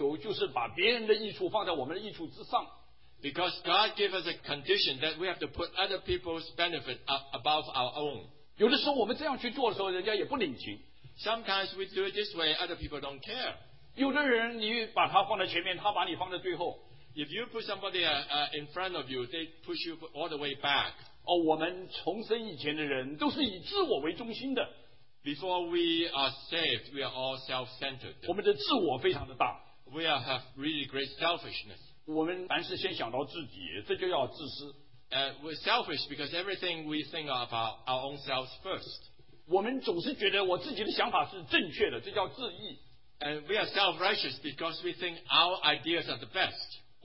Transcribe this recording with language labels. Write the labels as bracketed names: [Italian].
[Chinese] 因为主对侍奉的时候对我们有一个要求，就是把别人的益处放在我们的益处之上。 [English] Because God gave us a condition that we have to put other people's benefit above our own. [Chinese] 有的时候我们这样去做的时候，人家也不领情。 [English] Sometimes we do it this way, other people don't care. [Chinese] 有的人你把他放在前面，他把你放在最后。 [English] If you put somebody in front of you, they push you all the way back. [Chinese] 我们重生以前的人都是以自我为中心的。 [English] Before we are saved, we are all self-centered. [Chinese] 我们的自我非常的大。 [English] We have really great selfishness. [Chinese] 我们凡事先想到自己，这就叫自私。 [English] We're selfish because everything we think of our own selves first. [Chinese] 我们总是觉得我自己的想法是正确的，这叫自义。 [English] And we are self-righteous because we think our ideas are the best.